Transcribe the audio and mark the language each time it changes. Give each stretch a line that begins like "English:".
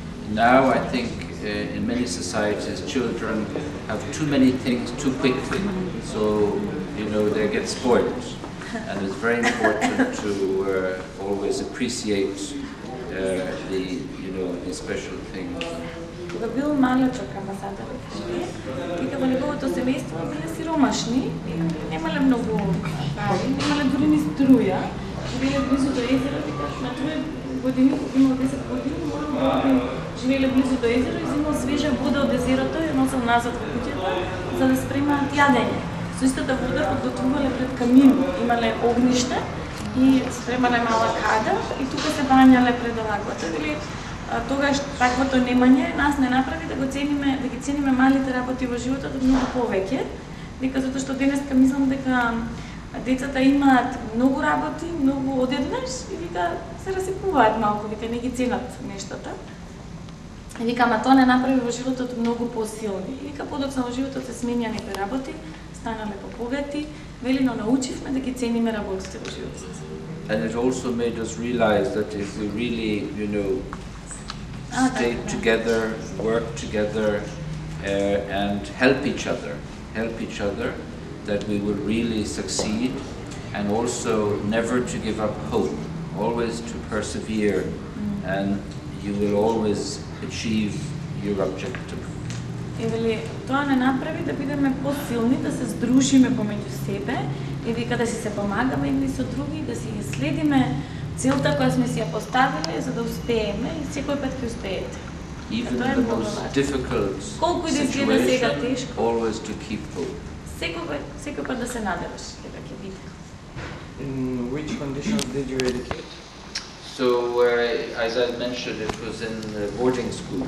English: Now I think in many societies, children have too many things too quickly, so you know they get spoiled. And it's very important to always appreciate the, you know, the special things.
Macedonian: Кога бил малиот амбасадор, вика во неговото семејство биле сиромашни, немале многу пари, немале дури ни струја, биле близу до езеро, вика на други години, имало 10 години, живееле близу до езеро и земал свежа вода од езерото и носел назад во куќата за да спремаат јадење. Со истата вода подготвувале пред камин, имале огниште и спремале мала када и тука се бањале пред лагвата. Или тогаш таквото немање нас не направи да го цениме, да ги цениме малите работи во животот многу повеќе, дека затоа што денеска мислам дека децата имаат многу работи, многу одеднаш и вика се расипуваат малку, вика не ги ценат нештата. И вика, ама тоа не направи во животот многу посилни. И вика, подоцна во животот се сменија некои работи, станаме побогати, вели, но научивме да ги цениме работите во животот.
English: And it also made us realize that if we really, you know, stay together, work together, and help each other, that we will really succeed, and also never to give up hope, always to persevere, and you will always achieve your objective.
Macedonian: И вели, тоа не направи да бидеме посилни, да се здружиме помеѓу себе, и вика да си се помагаме едни со други, да си следиме целта која сме си ја поставиле за да успееме и секој пат ќе успеете.
English: Even in the most difficult situation, always to keep hope.
Macedonian: Секој пат да се надеваш, дека ќе биде.
English: In which conditions did you educate? So, as I mentioned, it was in the boarding school.